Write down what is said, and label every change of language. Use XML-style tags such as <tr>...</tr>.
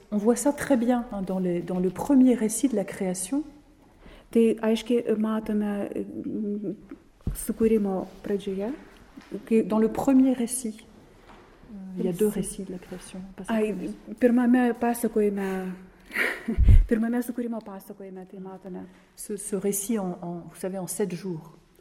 <fr>On voit ça très bien dans le premier récit de la création.</fr> <lt>Tai aiškiai matome sukūrimo pradžioje.</lt> <fr>Dans le premier récit, il y a deux récits de la création.</fr> <lt>Pirmame sukūrimo pasakojime, tai matome.</lt> <fr>Ce récit, vous savez, en sept jours.</fr>